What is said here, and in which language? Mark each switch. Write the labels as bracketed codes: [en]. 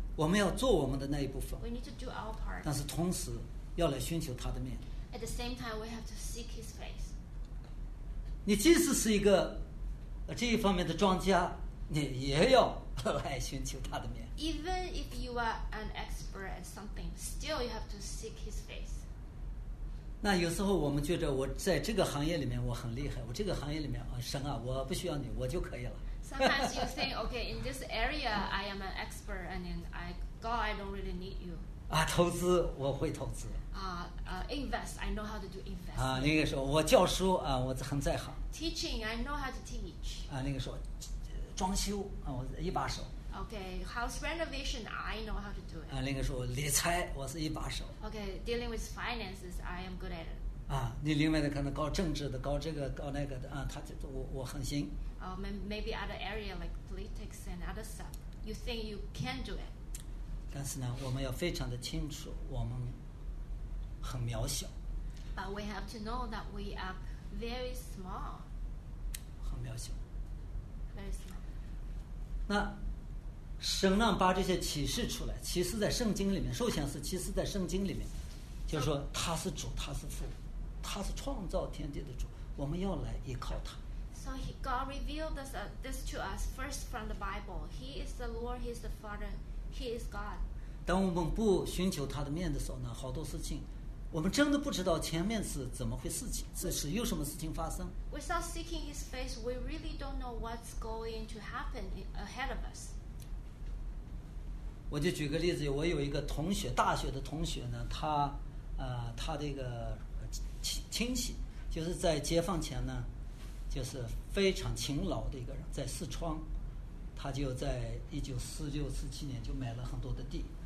[zh] 我们要做我们的那一部分 [en] We need to do our part. [zh] 但是同时要来寻求他的面 [en] At the same time, we have to seek his face. [zh] 你即使是一个这一方面的专家你也要来寻求他的面。 [en] Even if you are an expert at something, still you have to seek his face. [zh] 那有时候我们觉得我在这个行业里面我很厉害，我这个行业里面啊，神啊，我不需要你，我就可以了。 [en] Sometimes you think, okay, in this area I am an expert, and in God I don't really need you. [zh] 啊，投资我会投资。 [en] Invest, I know how to do invest. [zh] 啊，那个时候我教书啊，我很在行。 [en] Teaching, I know how to teach. [zh] 啊，那个时候。装修啊，我一把手。 [en] Okay, house renovation, I know how to do it. [zh] 啊，那个时候理财，我是一把手。 [en] Okay, dealing with finances, I am good at it. [zh] 啊，你另外的可能搞政治的，搞这个，搞那个的啊，他就我很行。 [en] Maybe other area like politics and other stuff, you think you can do it. [zh] 但是呢，我们要非常的清楚，我们很渺小。 [en] But we have to know that we are very small. [zh] 很渺小。 [en] Very small. [zh] 那神让把这些启示出来启示在圣经里面受显示启示在圣经里面就是说他是主他是父他是创造天地的主我们要来依靠他 [en] So God revealed this to us first from the Bible He is the Lord He is the Father He is God [zh] 当我们不寻求他的面的时候呢好多事情我们真的不知道前面是怎么回事情是有什么事情发生 [en] Without seeking his face, we really don't know what's going to happen ahead of us. [zh] 我就举个例子，我有一个同学，大学的同学呢，他这个亲戚就是在解放前呢就是非常勤劳的一个人，在四川，他就在1946-47年就买了很多的地。